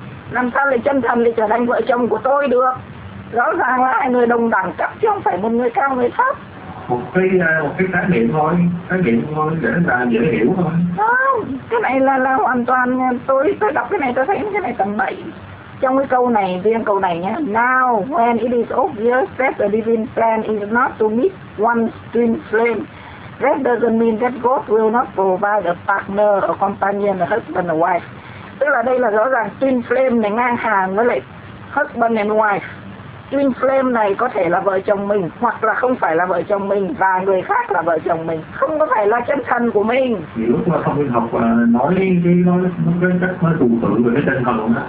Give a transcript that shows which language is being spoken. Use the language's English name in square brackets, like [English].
[Vietnamese] Làm sao lại chân thần lại trở thành vợ chồng của tôi được? Rõ ràng là hai người đồng đẳng cấp, chứ không phải một người cao người thấp. Một cái khái niệm thôi để là dễ hiểu thôi. Không, cái này là hoàn toàn tôi đọc cái này tôi thấy cái này tầm bậy. Trong cái câu này, riêng câu này nhé. [English] Now when it is obvious that the divine plan is not to meet one's twin flame, that doesn't mean that God will not provide a partner, a companion, a husband, a wife. [Vietnamese] Tức là đây là rõ ràng twin flame này ngang hàng với lại [English] husband and wife. [Vietnamese] Twin flame này có thể là vợ chồng mình, hoặc là không phải là vợ chồng mình và người khác là vợ chồng mình. Không có phải là chân thần của mình. Thì lúc mà thông tin học nói cái cách nó trụ tự về cái chân thần đó.